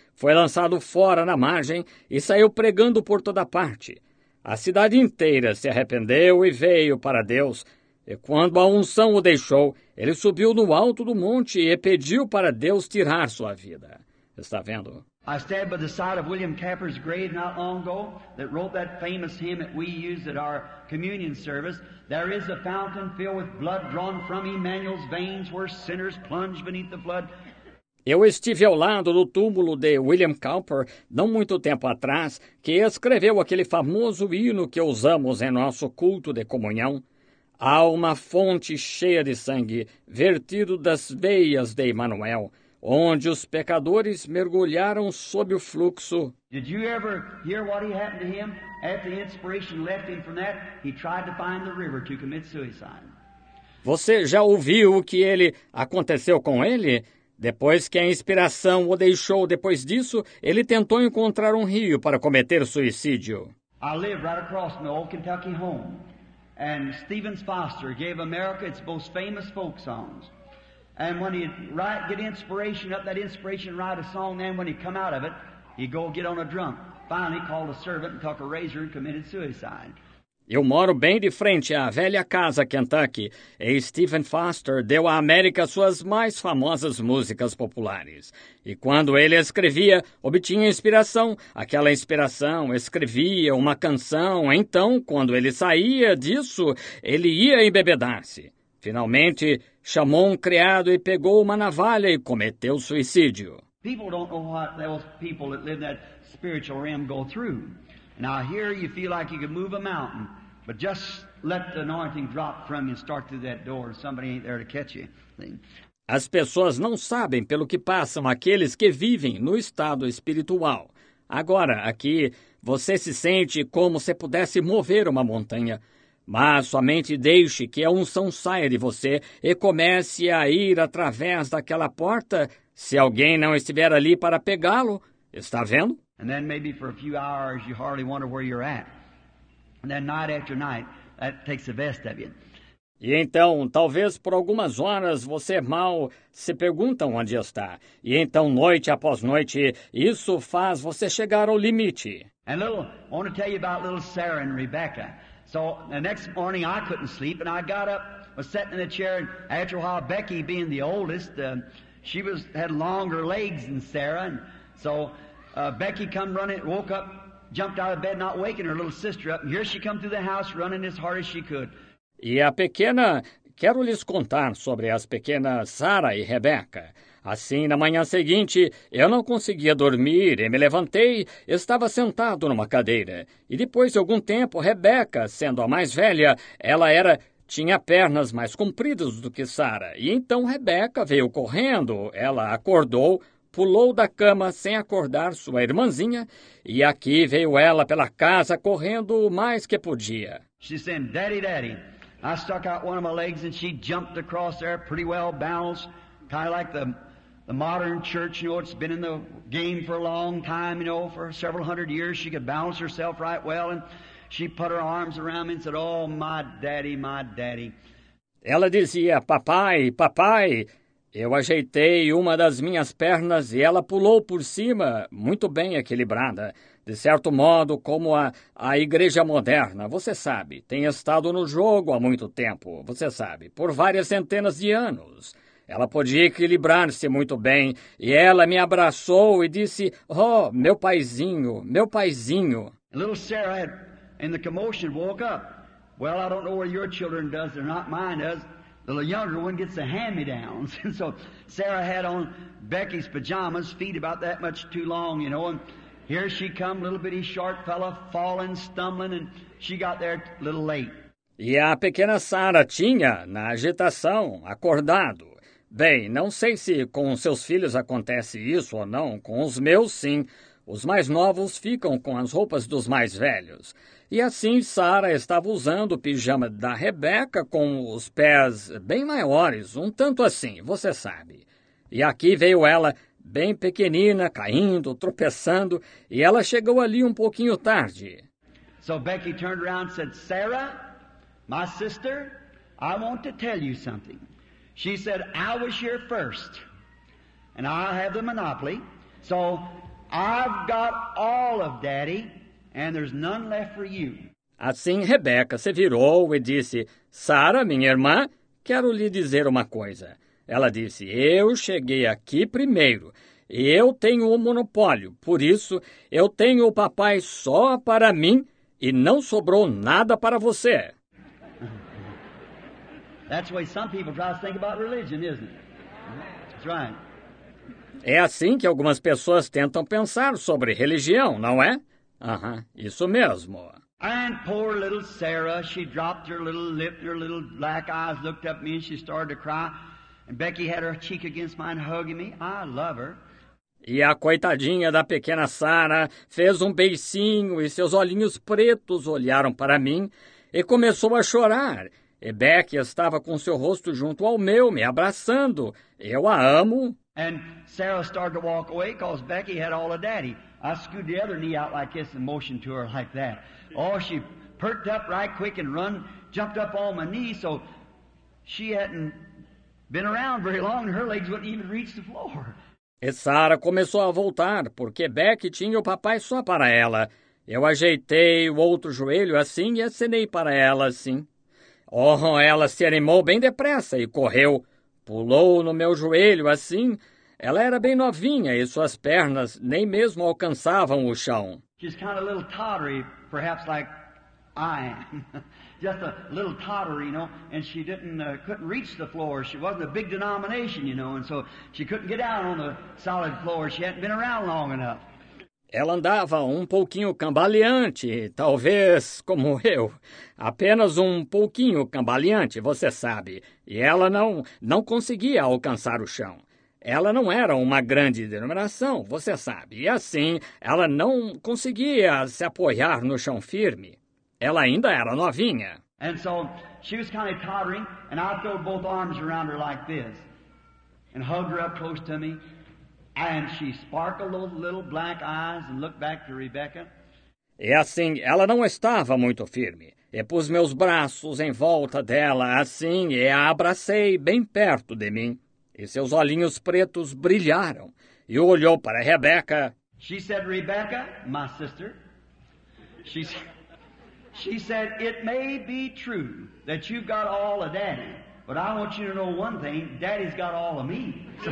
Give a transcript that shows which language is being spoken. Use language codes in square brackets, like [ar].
[pt] Foi lançado fora na margem e saiu pregando por toda parte. A cidade inteira se arrependeu e veio para Deus. E quando a unção o deixou, ele subiu no alto do monte e pediu para Deus tirar sua vida. Está vendo? [en] I stand by the side of William Capper's grave not long ago that wrote that famous hymn that we use at our communion service. There is a fountain filled with blood drawn from Emmanuel's veins where sinners plunge beneath the flood. [pt] Eu estive ao lado do túmulo de William Cowper não muito tempo atrás, que escreveu aquele famoso hino que usamos em nosso culto de comunhão. Há uma fonte cheia de sangue, vertido das veias de Emmanuel, onde os pecadores mergulharam sob o fluxo. [en] Did you ever hear what happened to him? After inspiration left him from that, he tried to find the river to commit suicide. [pt] Você já ouviu o que ele aconteceu com ele? Depois que a inspiração o deixou, depois disso, ele tentou encontrar um rio para cometer suicídio. [en] I live right across my old Kentucky home, and Stephen Foster gave America its most famous folk songs. And when he'd write, get inspiration up, that inspiration, write a song, then when he'd come out of it, he'd go get on a drunk. Finally, called a servant and took a razor and committed suicide. [pt] Eu moro bem de frente à velha casa Kentucky, e Stephen Foster deu à América suas mais famosas músicas populares. E quando ele escrevia, obtinha inspiração. Aquela inspiração, escrevia uma canção. Então, quando ele saía disso, ele ia embebedar-se. Finalmente, chamou um criado e pegou uma navalha e cometeu suicídio. [en] People don't know what those people that live in that spiritual realm go through. Now here you feel like you can move a mountain, but just let the anointing drop from you and start through that door. Somebody ain't there to catch you. [pt] As pessoas não sabem pelo que passam aqueles que vivem no estado espiritual. Agora, aqui, você se sente como se pudesse mover uma montanha. Mas somente deixe que a unção saia de você e comece a ir através daquela porta se alguém não estiver ali para pegá-lo. Está vendo? [en] And then maybe for a few hours you hardly wonder where you're at. And then night after night, that takes the best of you. [pt] E então, talvez por algumas horas você mal se pergunta onde está. E então, noite após noite, isso faz você chegar ao limite. [en] And little, I want to tell you about little Sarah and Rebecca. So the next morning I couldn't sleep and I got up, was sitting in a chair, and after a while, Becky being the oldest, she had longer legs than Sarah, and so Becky come running, woke up, jumped out of bed, not waking her little sister up, and here she come through the house running as hard as she could. [pt] E a pequena, quero lhes contar sobre as pequenas Sarah e Rebecca. Assim, na manhã seguinte, eu não conseguia dormir e me levantei, estava sentado numa cadeira. E depois de algum tempo, Rebecca, sendo a mais velha, tinha pernas mais compridas do que Sarah. E então Rebecca veio correndo, ela acordou, pulou da cama sem acordar sua irmãzinha, e aqui veio ela pela casa correndo o mais que podia. [en] She said, "Daddy, daddy." I stuck out one of my legs and she jumped across there pretty well balanced. Kind of like the modern church, you know, it's been in the game for a long time, you know, for several hundred years. She could balance herself right well, and she put her arms around me and said, "Oh, my daddy, my daddy." [pt] Ela dizia, "Papai, papai." Eu ajeitei uma das minhas pernas e ela pulou por cima, muito bem equilibrada. De certo modo, como a igreja moderna, você sabe, tem estado no jogo há muito tempo, você sabe, por várias centenas de anos. Ela podia equilibrar-se muito bem, e ela me abraçou e disse, "Oh, meu paizinho, meu paizinho." [en] Little Sarah had, in the commotion, woke up. Well, I don't know what your children does, they're not mine does. The younger one gets the hand-me-downs. So Sarah had on Becky's pajamas, feet about that much too long, you know, and here she come, little bitty short fella, falling, stumbling, and she got there a little late. [pt] E a pequena Sarah tinha, na agitação, acordado. Bem, não sei se com os seus filhos acontece isso ou não, com os meus sim. Os mais novos ficam com as roupas dos mais velhos. E assim Sarah estava usando o pijama da Rebecca com os pés bem maiores, um tanto assim, você sabe. E aqui veio ela, bem pequenina, caindo, tropeçando, e ela chegou ali um pouquinho tarde. [en] So Becky turned around and said, "Sarah, my sister, I want to tell you something." She said, "I was here first, and I have the monopoly, so I've got all of Daddy, and there's none left for you." [pt] Assim, Rebecca se virou e disse, "Sarah, minha irmã, quero lhe dizer uma coisa." Ela disse, "Eu cheguei aqui primeiro, e eu tenho o monopólio. Por isso, eu tenho o papai só para mim e não sobrou nada para você. [en] That's the way some people try to think about religion, isn't it? That's right. [pt] É assim que algumas pessoas tentam pensar sobre religião, não é? Isso mesmo. [en] And poor little Sarah, she dropped her little lip, her little black eyes looked up at me and she started to cry. And Becky had her cheek against mine hugging me. I love her. [pt] E a coitadinha da pequena Sarah fez um beicinho e seus olhinhos pretos olharam para mim e começou a chorar. E Becky estava com seu rosto junto ao meu, me abraçando. Eu a amo. [en] And Sarah started to walk away because Becky had all of daddy. I scooted the other knee out like this and motioned to her like that. Oh, she perked up right quick and run, jumped up on my knee, so she hadn't been around very long and her legs wouldn't even reach the floor. [pt] E Sarah começou a voltar porque Becky tinha o papai só para ela. Eu ajeitei o outro joelho assim e acenei para ela assim. Oh, ela se animou bem depressa e correu. Pulou no meu joelho assim. Ela era bem novinha e suas pernas nem mesmo alcançavam o chão. [en] She's kind of a little tottery, perhaps like I am. Just a little tottery, you know, and she couldn't reach the floor. She wasn't a big denomination, you know, and so she couldn't get down on the solid floor. She hadn't been around long enough. [pt] Ela andava um pouquinho cambaleante, talvez como eu. Apenas um pouquinho cambaleante, você sabe. E ela não conseguia alcançar o chão. Ela não era uma grande denominação, você sabe. E assim, ela não conseguia se apoiar no chão firme. Ela ainda era novinha. [en] And so, she was kind of tottering, and I threw both arms around her like this, and hugged her up close to me. And she sparkled those little black eyes and looked back to Rebecca. [pt] E assim, ela não estava muito firme. E pus meus braços em volta dela assim e a abracei bem perto de mim. E seus olhinhos pretos brilharam. E olhou para Rebecca. [en] She said, Rebecca, my sister. She said, it may be true that you've got all of daddy. But I want you to know one thing, daddy's got all of me.